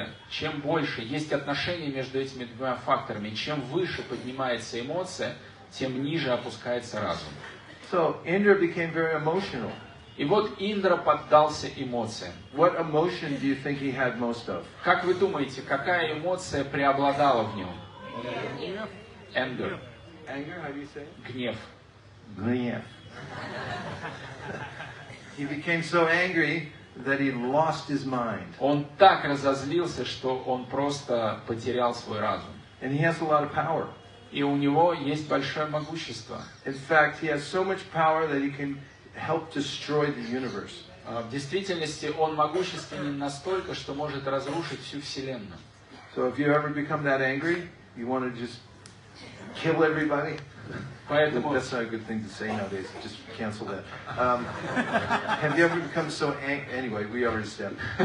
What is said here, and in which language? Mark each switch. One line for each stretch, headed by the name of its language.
Russian: Чем больше есть отношение между этими двумя факторами, чем выше поднимается эмоция, тем ниже опускается разум.
English: So Indra became very emotional.
Russian: И вот Индра поддался эмоциям.
English: What emotion do you think he had most of?
Russian: Как вы думаете, какая эмоция преобладала в нем?
English: Anger. Anger, how do you say it?
Russian: Гнев. Гнев.
English: He became so angry that he lost his mind.
Russian: Он так разозлился, что он просто потерял свой разум.
English: And he has a lot of power.
Russian: И у него есть большое могущество.
English: In fact, he has so much power that he can help destroy the universe.
Russian: В действительности он могущественен настолько, что может разрушить всю вселенную.
English: So if you ever become that angry, you want to just kill everybody.
Russian: Поэтому
English: that's not a good thing to say nowadays. Just cancel that. Have you ever become so angry? Anyway, we already said.